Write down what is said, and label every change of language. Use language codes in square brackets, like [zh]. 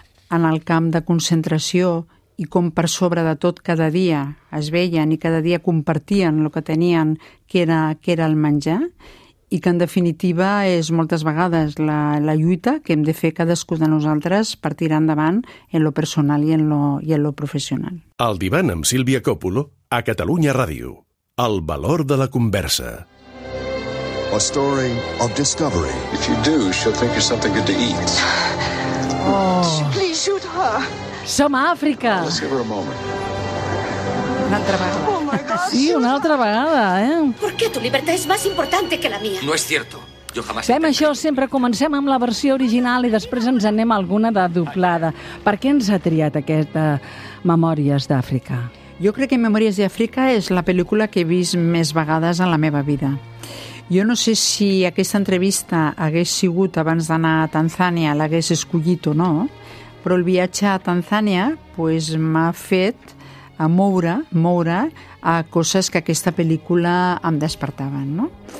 [ca] en el camp de concentració, i com per sobre de tot cada dia es veien i cada dia compartien el que tenien, que era el menjar, i que en definitiva és moltes vegades la lluita que hem de fer cadascú de nosaltres per tirar endavant en lo personal i en lo professional. El divan amb Sílvia Coppolo a Catalunya Ràdio. El valor de la conversa. [en] A story of discovery. If you do, she'll think you're something good to eat. Oh. Please shoot her. [ca] Som a Àfrica. [en] Let's give her a moment. [ca] Una altra vegada. [en] Oh my gosh. [ca] Sí, una altra vegada, [es] ¿Por qué tu libertad es más importante que la mía? No es cierto. Yo jamás. [ca] Fem això, sempre comencem amb la versió original i després ens anem a alguna de doblada. Per què ens ha triat aquesta Memòries d'Àfrica? Jo crec que Memòries d'Àfrica és la pel·lícula que he vist més vegades en la meva vida. Jo no sé si aquesta entrevista hagués sigut abans d'anar a Tanzània, l'hagués escollit o no, però el viatge a Tanzània pues, m'ha fet a moure a coses que aquesta pel·lícula em despertaven. No?